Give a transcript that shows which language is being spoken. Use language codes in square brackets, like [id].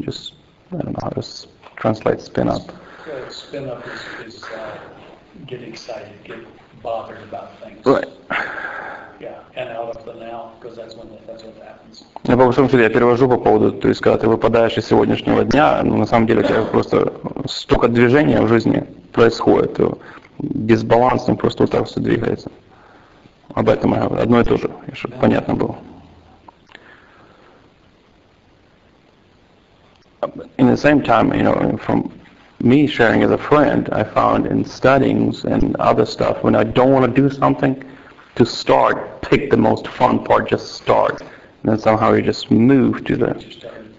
[en] Just I don't know how to translate spin up. Spin up is get excited, get bothered about things. Right. Yeah, and out of the now, because that's what happens. [ru] Я по большому счету я перевожу по поводу, то есть когда ты выпадаешь из сегодняшнего дня, ну на самом деле у тебя просто столько движения в жизни происходит, дисбаланс, он просто вот так все двигается. Об этом я говорю. Одно и то же, чтобы понятно было. [en] In the same time, you know, from me sharing as a friend, I found in studies and other stuff, when I don't want to do something, to start, pick the most fun part, just start. And then somehow you just move to the...